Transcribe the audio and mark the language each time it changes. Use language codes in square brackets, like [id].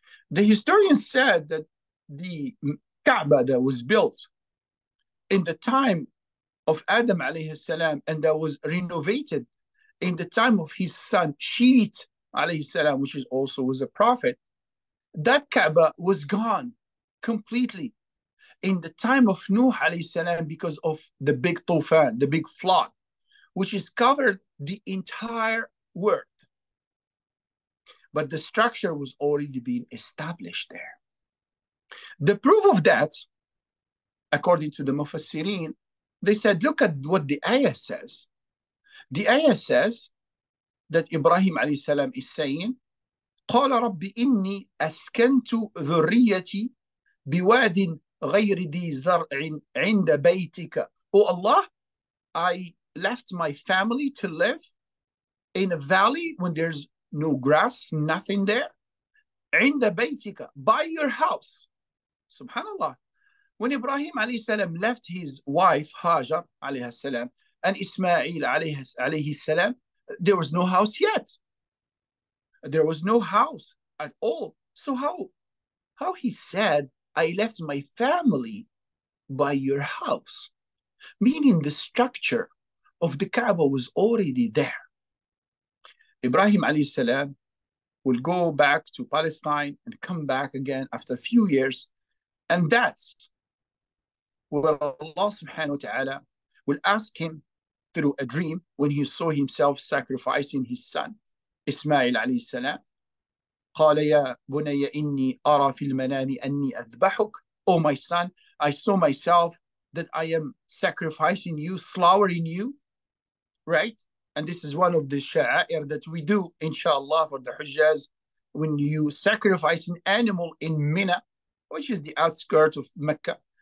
[en] The historians said that the Kaaba that was built in the time of Adam alayhi salam, and that was renovated in the time of his son Shit alayhi salam, which is also was a prophet, that Kaaba was gone completely in the time of Nuh alayhi salam, because of the big tufan, the big flood, which has covered the entire world. But the structure was already being established there. The proof of that, according to the Mufassirin, they said, look at what the ayah says. The ayah says that Ibrahim alayhi salam is saying, [ar] قَالَ رَبِّ إِنِّي أَسْكَنْتُ ذُرِّيَّتِي بِوَادٍ غَيْرِ ذِي زَرْعٍ عِنْدَ بَيْتِكَ. [en] Oh Allah, I left my family to live in a valley when there's no grass, nothing there. [ar] عِنْدَ بَيْتِكَ, [en] by your house. Subhanallah. When Ibrahim alayhi salam left his wife Hajar alayhi salam and Ismail alayhi salam, there was no house yet. There was no house at all. So how he said, I left my family by your house, meaning the structure of the Kaaba was already there. Ibrahim alayhi salam will go back to Palestine and come back again after a few years. And that's where Allah subhanahu wa ta'ala will ask him through a dream when he saw himself sacrificing his son. [ar] إسماعيل عليه السلام قال يا بني إني أرى في المنام أني أذبحك. [en] Oh my son, I saw myself that I am sacrificing you, slaughtering you, right? And this is one of the شعائر that we do, inshallah, for the Hujjaz, when you sacrifice an animal in Mina, which is the outskirts of Mecca.